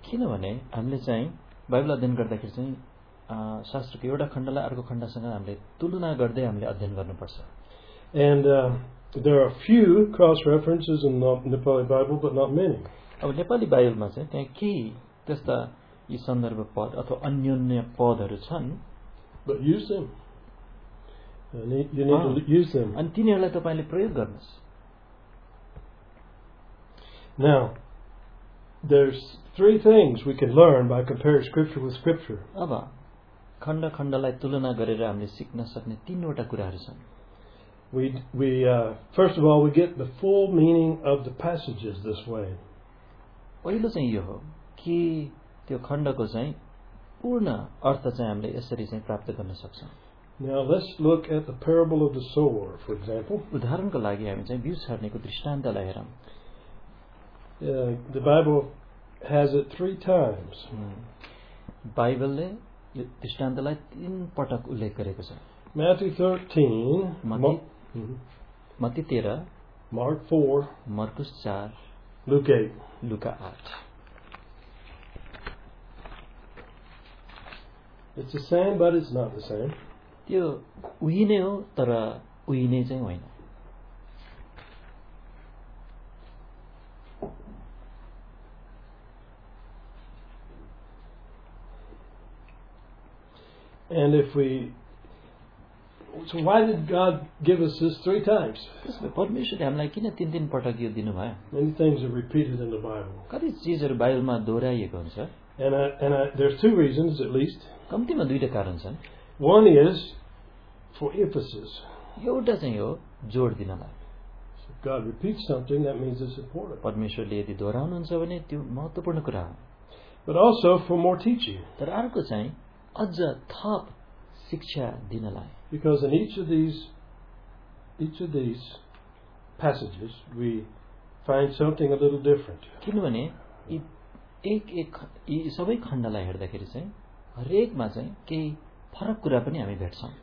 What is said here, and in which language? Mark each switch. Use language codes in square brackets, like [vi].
[ne] किनभने हामीले चाहिँ बाइबल अध्ययन गर्दाखेरि चाहिँ शास्त्रको एउटा खण्डलाई अर्को खण्डसँग हामीले तुलना गर्दै हामीले अध्ययन गर्नुपर्छ. [en] And there are a few cross references in the Nepali Bible, but not many. [ne] अब नेपाली बाइबलमा चाहिँ त्यहाँ केही त्यस्ता यी सन्दर्भ पद अथवा अन्योन्य पदहरू छन्. [en] But use them. You need to use them. [ne] अनि तिनीहरूलाई तपाईँले प्रयोग गर्नुहोस्. [en] Now, there's three things we can learn by comparing scripture with scripture. [ne] अब खण्ड खण्डलाई तुलना गरेर हामीले सिक्न सक्ने तीनवटा कुराहरू छन्. [en] We first of all we get the full meaning of the passages this way. [ne] पहिलो चाहिँ यो हो कि त्यो खण्डको चाहिँ पूर्ण अर्थ चाहिँ हामीले यसरी चाहिँ प्राप्त गर्न सक्छौँ. [en] Now let's look at the parable of the sower, for example. [ne] उदाहरणको लागि हामी चाहिँ बीज छर्नेको दृष्टान्तलाई हेरौँ. [en] The Bible has it three times. [ne] बाइबलले यो दृष्टान्तलाई तीन पटक उल्लेख गरेको छ. [en] Matthew 13, Matthew 13, Mark 4, Markus 4, Luke 8, Luca 8. It's the same, but it's not the same. [ne] त्यो उही नै हो तर उही नै चाहिँ होइन. [en] And if we So why did God give us this three times? [ne] परमेश्वरले हामीलाई किन तीन तीन पटक यो दिनुभयो? [en] Many things are repeated in the Bible. [ne] कति चीजहरू बाइबलमा दोहोऱ्याइएको हुन्छ? [en] And there's two reasons at least. [ne] कम्तीमा दुईटा कारण छन्. [en] One is for emphasis. [ne] एउटा चाहिँ हो जोड दिनलाई. [en] God repeats something, that means it's important. [ne] परमेश्वरले यदि दोहोऱ्याउनुहुन्छ भने त्यो महत्त्वपूर्ण कुरा हो. [en] But also for more teaching. [ne] तर अर्को चाहिँ अझ थप शिक्षा दिनलाई. [en] Because in each of these passages we find something a little different. [ne] किनभने एक एक यी सबै खण्डलाई हेर्दाखेरि चाहिँ हरेकमा चाहिँ केही फरक कुरा पनि हामी भेट्छौँ.